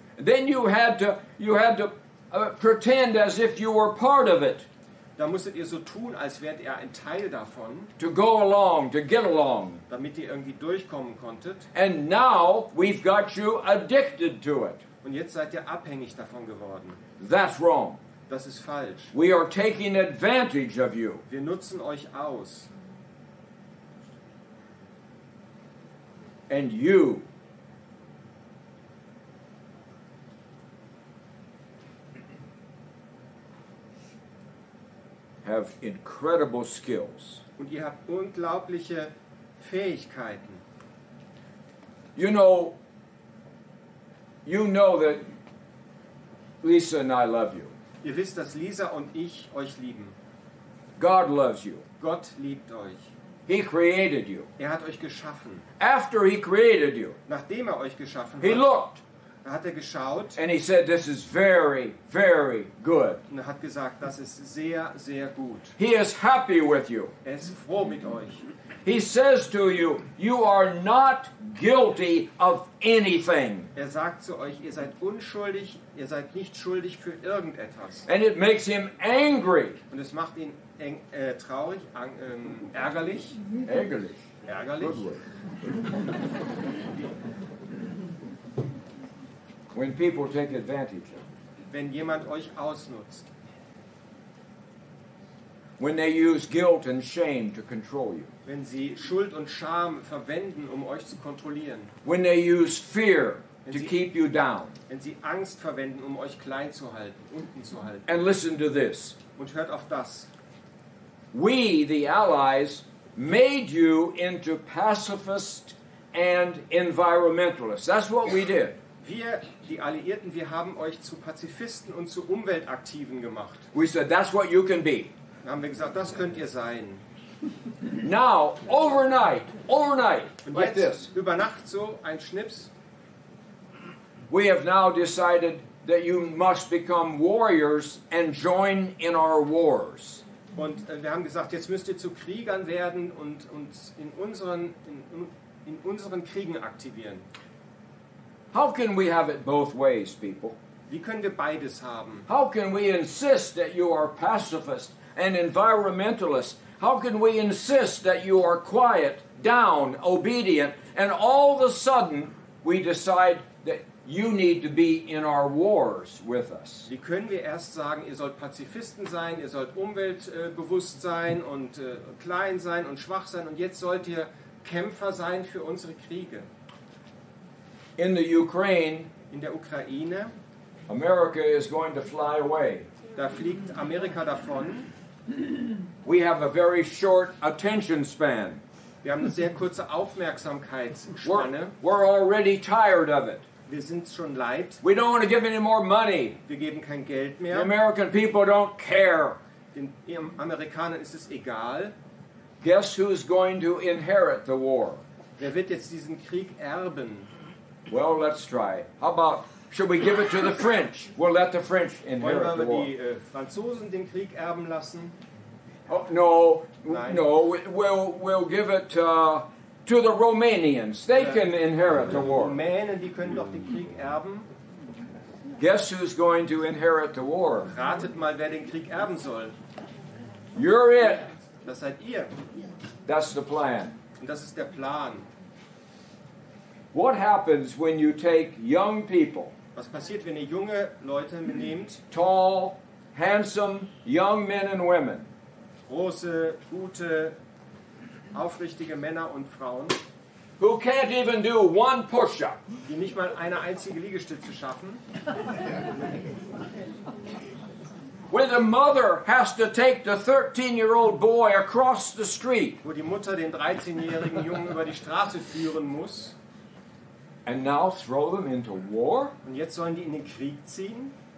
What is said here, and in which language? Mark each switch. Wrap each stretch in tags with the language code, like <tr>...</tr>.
<en>Then you had to pretend as if you were part of it.</en> <de>Da musstet ihr so tun, als wärt ihr ein Teil davon.</de> <en>To go along, to get along.</en> <de>Damit ihr irgendwie durchkommen konntet.</de> <en>And now we've got you addicted to it.</en> <de>Und jetzt seid ihr abhängig davon geworden.</de> <en>That's wrong.</en> <de>Das ist falsch.</de> <en>We are taking advantage of you.</en> <de>Wir nutzen euch aus.</de> <en>And you. Have incredible skills.</en> <de>Und ihr habt unglaubliche Fähigkeiten.</de> <en>You know that Lisa and I love you.</en> <de>Ihr wisst, dass Lisa und ich euch lieben.</de> <en>God loves you.</en> <de>Gott liebt euch.</de> <en>He created you.</en> <de>Er hat euch geschaffen.</de> <en>After he created you.</en> <de>Nachdem er euch geschaffen</de> <en>he</en> <de>hat.</de> <en>He looked.</en> <de>Da hat er geschaut.</de> <en>And he said, this is very, very good.</en> <de>Und er hat gesagt, das ist sehr, sehr gut.</de> <en>He is happy with you.</en> <de>Er ist froh mit euch.</de> <en>He says to you, you are not guilty of anything.</en> <de>Er sagt zu euch, ihr seid unschuldig, ihr seid nicht schuldig für irgendetwas.</de> <en>And it makes him angry.</en> <de>Und es macht ihn traurig, ärgerlich. Ärgerlich. Ärgerlich.</de> <en>When people take advantage of.</en> <de>Wenn jemand euch ausnutzt.</de> <en>When they use guilt and shame to control you.</en> <de>Wenn sie Schuld und Scham verwenden, um euch zu kontrollieren.</de> <en>When they use fear to keep you down.</en> <de>Wenn sie Angst verwenden, um euch klein zu halten, unten zu halten.</de> <en>And listen to this.</en> <de>Und hört auf das.</de> <en>We, the Allies, made you into pacifists and environmentalists. That's what we did.</en> <de>Wir, die Alliierten, wir haben euch zu Pazifisten und zu Umweltaktiven gemacht.</de> <en>We said, that's what you can be.</en> <de>Dann haben wir gesagt, das könnt ihr sein.</de> <en>Now, overnight,</en> <de>und</de> <en>like</en> <de>jetzt,</de> <en>this.</en> <de>Über Nacht so, ein Schnips.</de> <en>We have now decided that you must become warriors and join in our wars.</en> <de>Und wir haben gesagt, jetzt müsst ihr zu Kriegern werden und uns in unseren Kriegen aktivieren.</de> <en>How can we have it both ways, people?</en> <de>Wie können wir beides haben?</de> <en>How can we insist that you are pacifist and environmentalist? How can we insist that you are quiet, down, obedient, and all of a sudden we decide that you need to be in our wars with us.</en> <de>Wie können wir erst sagen, ihr sollt Pazifisten sein, ihr sollt umweltbewusst sein und klein sein und schwach sein und jetzt sollt ihr Kämpfer sein für unsere Kriege?</de> <en>In the Ukraine,</en> <de>in der Ukraine,</de> <en>America is going to fly away.</en> <de>Da fliegt Amerika davon.</de> <en>We have a very short attention span.</en> <de>Wir haben eine sehr kurze Aufmerksamkeitsspanne.</de> <en>We're already tired of it.</en> <de>Wir sind schon leid.</de> <en>We don't want to give any more money.</en> <de>Wir geben kein Geld mehr.</de> <en>The American people don't care.</en> <de>Den Amerikanern ist es egal.</de> <en>Guess who's going to inherit the war?</en> <de>Wer wird jetzt diesen Krieg erben?</de> <en>Well, let's try. How about, should we give it to the French? We'll let the French inherit the war.</en> <de>Wollen wir die Franzosen den Krieg erben lassen?</de> <en>Oh, no,</en> <de>nein.</de> <en>No, we'll give it to the Romanians. They can inherit the war.</en> <de>Rumänen, die können doch den Krieg erben.</de> <en>Guess who's going to inherit the war?</en> <de>Ratet mal, wer den Krieg erben soll.</de> <en>You're it.</en> <de>Das seid ihr.</de> <en>That's the plan.</en> <de>Und das ist der Plan.</de> <en>What happens when you take young people?</en> <de>Was passiert, wenn ihr junge Leute nehmt?</de> <en>Tall, handsome, young men and women.</en> <de>Große, gute, aufrichtige Männer und Frauen.</de> <en>Who can't even do one push-up?</en> <de>Die nicht mal eine einzige Liegestütze schaffen.</de> <en>Where the mother has to take the 13-year-old boy across the street.</en> <de>Wo die Mutter den 13-jährigen Jungen über die Straße führen muss.</de> <en>And now throw them into war?</en> <de>Und jetzt sollen die in den Krieg ziehen?</de>